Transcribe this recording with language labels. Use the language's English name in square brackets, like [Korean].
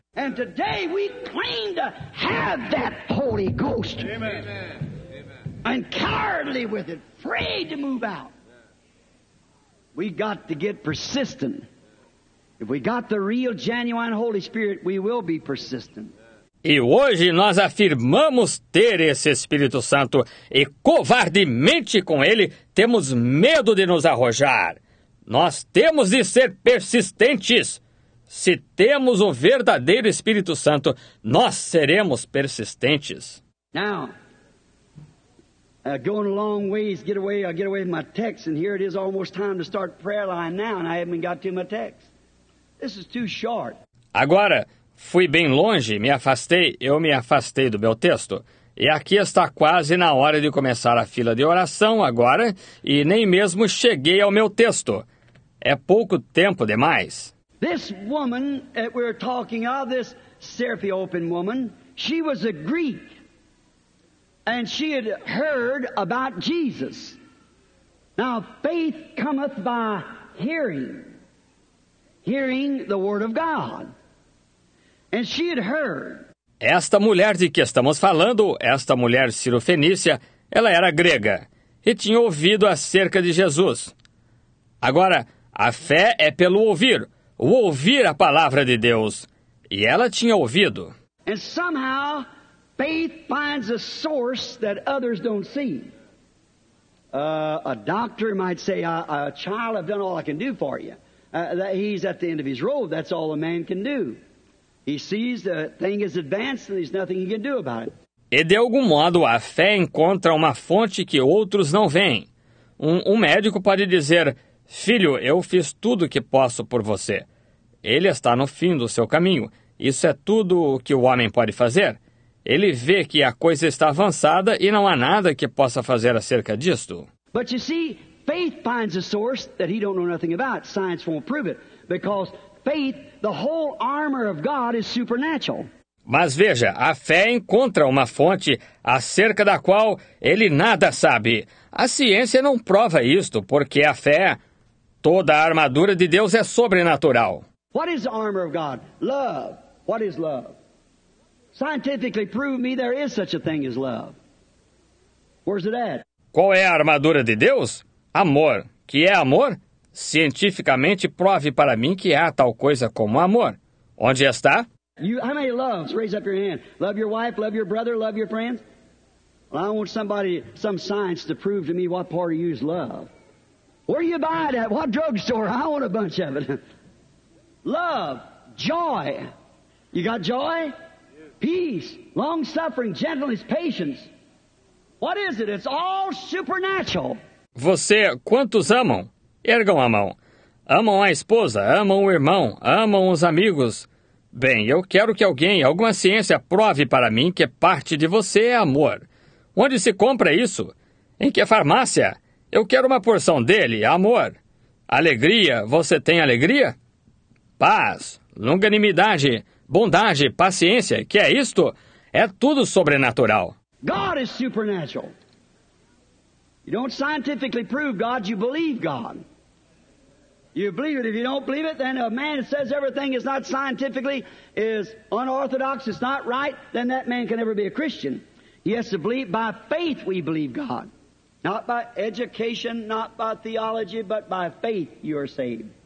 [English] And today we claim to have that Holy Ghost. Amen. And cowardly with it, afraid to move out. We got to get persistent. If we got the real, genuine Holy Spirit, we will be persistent. [Portuguese] E hoje nós afirmamos ter esse Espírito Santo e covardemente com ele temos medo de nos arrojar. Nós temos de ser persistentes. Se temos o verdadeiro Espírito Santo, nós seremos persistentes. [English] Now, going a long ways, I'll get away with my text, and here it is almost time to start prayer line now, and I haven't got to my text. This is too short. [Portuguese] Agora, fui bem longe, eu me afastei do meu texto. E aqui está quase na hora de começar a fila de oração agora, e nem mesmo cheguei ao meu texto. É pouco tempo demais. [English] This woman that we're talking of, this Serapeopan woman, she was a Greek, and she had heard about Jesus. Now, faith cometh by hearing the Word of God, and she had heard. [Portuguese] Esta mulher de que estamos falando, esta mulher sirofenícia, ela era grega, e tinha ouvido acerca de Jesus. Agora, a fé é pelo ouvir. O ouvir a palavra de Deus. E ela tinha ouvido. [English] And somehow, faith finds a source that others don't see. A doctor might say, a child, I've done all I can do for you. That he's at the end of his road. That's all a man can do. He sees the thing is advanced and there's nothing he can do about it. [Portuguese] E de algum modo, a fé encontra uma fonte que outros não veem. Um médico pode dizer, filho, eu fiz tudo o que posso por você. Ele está no fim do seu caminho. Isso é tudo o que o homem pode fazer. Ele vê que a coisa está avançada e não há nada que possa fazer acerca disto. [English] But you see, faith finds a source that he don't know nothing about. Science won't prove it. Because faith, the whole armor of God is supernatural. [Portuguese] Mas veja, a fé encontra uma fonte acerca da qual ele nada sabe. A ciência não prova isto, porque a fé, toda a armadura de Deus é sobrenatural. [English] What is the armor of God? Love. What is love? Scientifically prove me there is such a thing as love. Where's it at? [Portuguese] Qual é a armadura de Deus? Amor. Que é amor? Cientificamente prove para mim que há tal coisa como amor. Onde está? [English] You, how many loves? Raise up your hand. Love your wife, love your brother, love your friends. Well, I want somebody, some science to prove to me what part of you is love. Where you buy it at? What drugstore? I want a bunch of it. Love, joy. You got joy? Peace, long-suffering, gentleness, patience. What is it? It's all supernatural. [Portuguese] Você, quantos amam? Ergam a mão. Amam a esposa, amam o irmão, amam os amigos. Bem, eu quero que alguém, alguma ciência, prove para mim que parte de você é amor. Onde se compra isso? Em que farmácia? Eu quero uma porção dele, amor. Alegria, você tem alegria? Paz, longanimidade, bondade, paciência, que é isto? É tudo sobrenatural. [English] God is supernatural. You don't scientifically prove God, you believe God. You believe it. If you don't believe it, then a man that says everything is not scientifically, is unorthodox, it's not right, then that man can never be a Christian. He has to believe, by faith we believe God. Not by education, not by theology, but by faith you are saved.